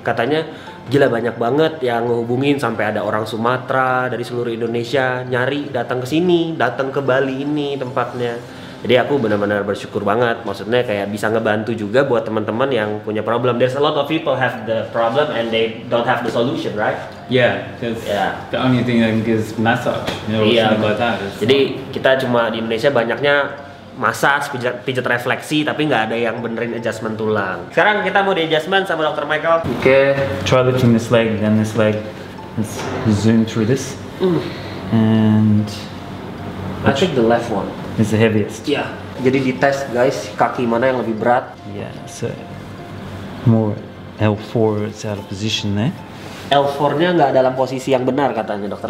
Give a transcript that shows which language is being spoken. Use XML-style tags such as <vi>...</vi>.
<id>Katanya gila banyak banget yang ngehubungin, sampai ada orang Sumatera dari seluruh Indonesia nyari datang ke sini, datang ke Bali ini tempatnya. Jadi aku benar-benar bersyukur banget. Maksudnya kayak bisa ngebantu juga buat teman-teman yang punya problem.</id> <en>There's a lot of people have the problem and they don't have the solution, right? Yeah, because yeah. The only thing they can give is massage. You know, yeah. About that.</en> <id>Jadi kita cuma di Indonesia banyaknya massage, pijat refleksi, tapi nggak ada yang benerin adjustment tulang. Sekarang kita mau di adjustment sama Dr. Michael.</id> <en>Oke, okay. Try lifting this leg, then this leg. Let's zoom through this. And I think the left one. It's the heaviest. Yeah.</en> <id>Jadi di test guys, kaki mana yang lebih berat?</id> <en>Yeah. So more L4 is out of position there.</en> <id>L4-nya enggak dalam posisi yang benar katanya Dr.</id>